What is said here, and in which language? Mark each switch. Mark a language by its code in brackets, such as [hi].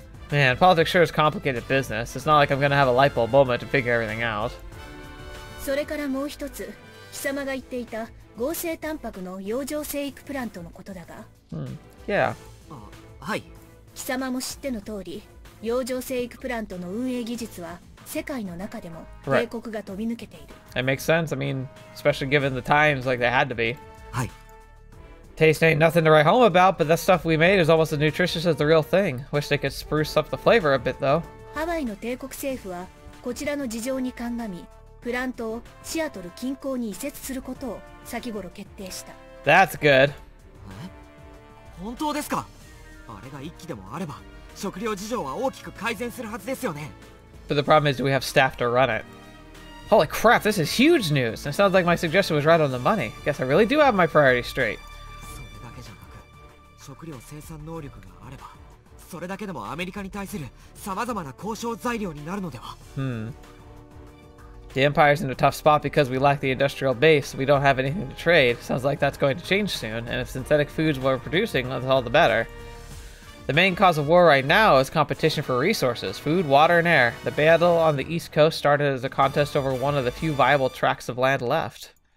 [en] Man, politics sure is complicated business. It's not like I'm going to have a light bulb moment to figure everything out. [ja] それからもう一つ、貴様が言っていた合成タンパクの養生生育プラントのことだが、はい。貴様も知っての通り、養生生育プラントの運営技術は世界の中でも帝国が飛び抜けている。 [en] That makes sense. I mean, especially given the times, like they had to be. [ja] はい。 [en] Taste ain't nothing to write home about, but that stuff we made is almost as nutritious as the real thing. Wish they could spruce up the flavor a bit, though. [ja] ハワイの帝国政府はこちらの事情に鑑み。プラントをシアトル近郊に移設することを先頃決定した。 [en] That's good. [ja] 本当ですか？あれが一機でもあれば、食料事情は大きく改善するはずですよね。 [en] But the problem is, do we have staff to run it? Holy crap, this is huge news! It sounds like my suggestion was right on the money. Guess I really do have my priorities straight. [ja] それだけじゃなく、食料生産能力があれば、それだけでもアメリカに対する様々な交渉材料になるのでは。 [en] The Empire's in a tough spot because we lack the industrial base. We don't have anything to trade. Sounds like that's going to change soon. And if synthetic foods were producing, that's all the better. The main cause of war right now is competition for resources, food, water, and air. The battle on the East Coast started as a contest over one of the few viable tracts of land left.